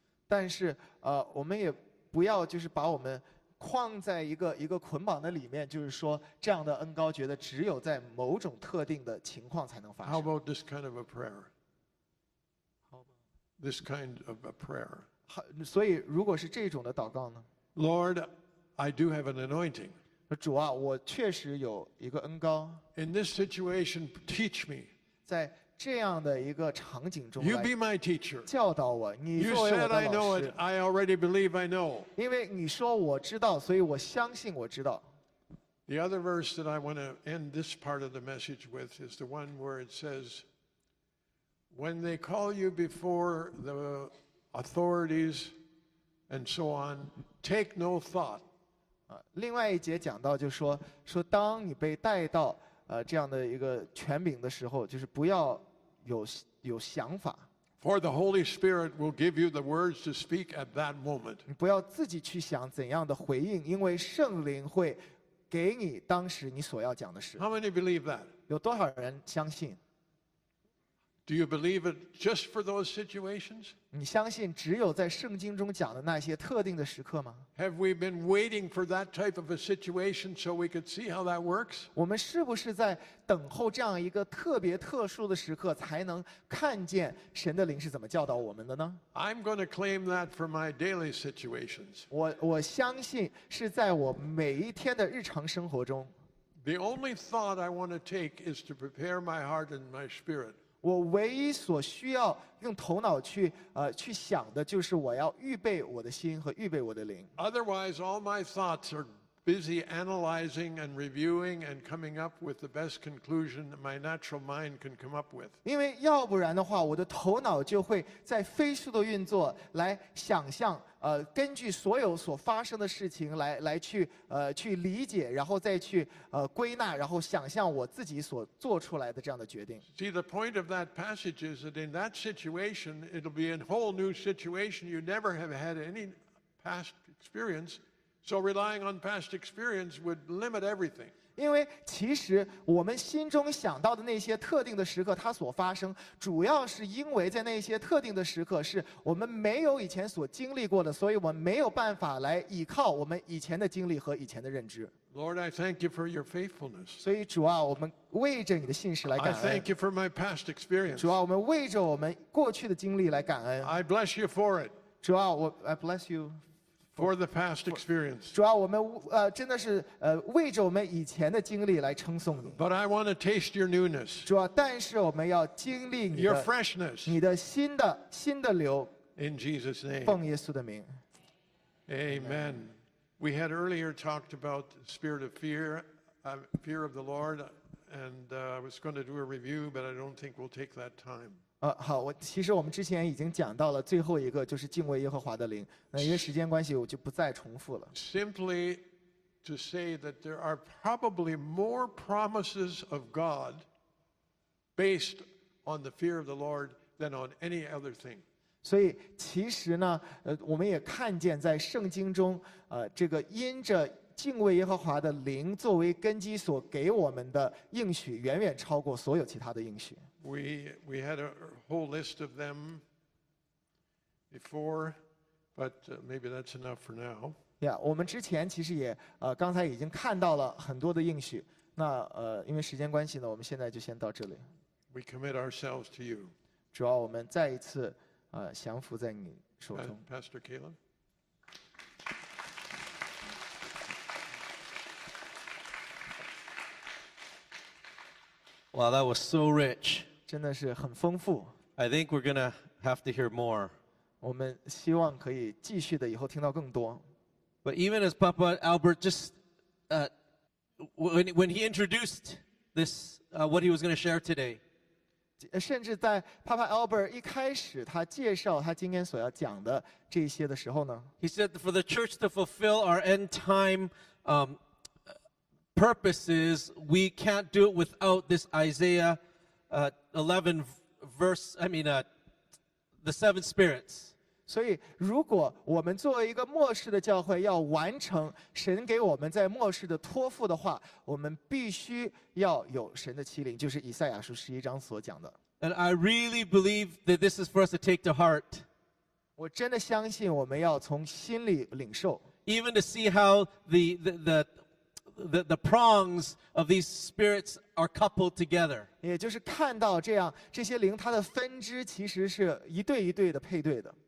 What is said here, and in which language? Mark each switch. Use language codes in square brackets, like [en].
[zh] 但是我们也不要就是把我们框在一个捆绑的里面，就是说这样的恩膏觉得只有在某种特定的情况才能发生。 [en] How about this kind of a prayer? This kind of a prayer. [zh] 所以如果是这种的祷告呢？ [en] Lord, I do have an anointing. [zh] 主啊，我确实有一个恩膏。 [en] In this situation, teach me. [zh] 在这样的一个场景中 [en] ，You be my teacher. [zh] 教导我，你作为我的老师。 [en] You said I know it. I already believe I know. [zh] 因为你说我知道，所以我相信我知道。 [en] The other verse that I want to end this part of the message with is the one where it says. When they call you before the authorities and so on, take no thought. [zh] 另外一节讲到就说当你被带到这样的一个权柄的时候，就是不要有想法。 [en] For the Holy Spirit will give you the words to speak at that moment. [zh] 你不要自己去想怎样的回应，因为圣灵会给你当时你所要讲的事。 [en] How many believe that? [zh] 有多少人相信？ [en] Do you believe it just for those situations? [zh] 你相信只有在圣经中讲的那些特定的时刻吗？ [en] Have we been waiting for that type of a situation so we could see how that works? [zh] 我们是不是在等候这样一个特别特殊的时刻才能看见神的灵是怎么教导我们的呢？ [en] I'm going to claim that for my daily situations. [zh] 我相信是在我每一天的日常生活中。 [en] The only thought I want to take is to prepare my heart and my spirit. [zh] 我唯一所需要用头脑去想的就是我要预备我的心和预备我的灵。 [en] Otherwise, all my thoughts are busy analyzing and reviewing and coming up with the best conclusion that my natural mind can come up with. [zh] 因为要不然的话，我的头脑就会在飞速的运作来想象，根据所有所发生的事情来去理解，然后再去归纳，然后想象我自己所做出来的这样的决定。 [en] See, the point of that passage is that in that situation, it'll be a whole new situation you never have had any past experience. So relying on past experience would limit everything. [zh] 因为其实我们心中想到的那些特定的时刻，它所发生，主要是因为在那些特定的时刻是我们没有以前所经历过的，所以我们没有办法来依靠我们以前的经历和以前的认知。 [en] Lord, I thank you for your faithfulness. [zh] 所以主啊，我们为着你的信实来感恩。 [en] I thank you for my past experience. [zh] 主啊，我们为着我们过去的经历来感恩。 [en] I bless you for it. [zh] 主啊， [en] I bless you. for the past experience. [zh] 主啊，我们真的是为着我们以前的经历来称颂你。 [en] But I want to taste your newness. [zh] 主啊，但是我们要经历你的 [en] your freshness. [zh] 你的新的流。 [en] In Jesus' name. [zh] 奉耶稣的名。 [en] Amen. We had earlier talked about the spirit of fear, fear of the Lord, and I was going to do a review, but I don't think we'll take that time. [zh] 好，我其实我们之前已经讲到了最后一个，就是敬畏耶和华的灵。那因为时间关系，我就不再重复了。 [en] Simply to say that there are probably more promises of God based on the fear of the Lord than on any other thing. [zh] 所以其实呢，我们也看见在圣经中，这个因着敬畏耶和华的灵作为根基所给我们的应许，远远超过所有其他的应许。 [en] We had a whole list of them before, but maybe that's enough for now. [zh] Yeah, 我们之前其实也刚才已经看到了很多的应许。那因为时间关系呢，我们现在就先到这里。 [en] We commit ourselves to you. [zh] 主要我们再一次降服在你手中。 [en] Pastor Caleb. Wow, that was so rich. [zh] 真的是很丰富。 [en] I think we're gonna have to hear more. [zh] 我们希望可以继续的以后听到更多。 [en] But even as Papa Albert just when he introduced this what he was gonna share today. [zh] 甚至在 Papa Albert 一开始他介绍他今天所要讲的这些的时候呢 [en] ，He said for the church to fulfill our end time. Purposes, we can't do it without this Isaiah 11 verse. The seven spirits. [zh] 所以，如果我们作为一个末世的教会要完成神给我们在末世的托付的话，我们必须要有神的七灵，就是以赛亚书十一章所讲的。 [en] And I really believe that this is for us to take to heart. [zh] 我真的相信我们要从心里领受。 [en] Even to see how the prongs of these spirits are coupled together. [zh] 也就是看到这样，这些灵它的分支其实是一对一对的配对的。